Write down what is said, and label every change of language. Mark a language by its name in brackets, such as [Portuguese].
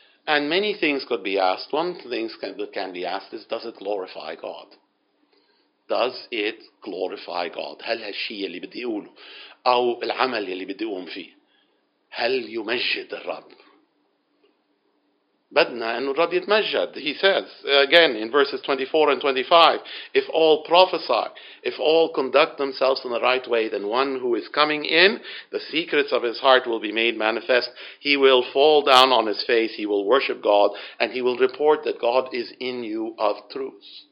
[English] And many things could be asked. One thing that can be asked is, does it glorify God? Does it glorify God? [Arabic] هل هالشي اللي بدي أقوله أو العمل اللي بدي أقوم فيه هل يمجد الرب؟ بَدْنَا أَنُّ الرَّبْ يَتْمَجَّدْ. [English] He says, again, in verses 24 and 25, if all prophesy, if all conduct themselves in the right way, then one who is coming in, the secrets of his heart will be made manifest. He will fall down on his face, he will worship God, and he will report that God is in you of truth.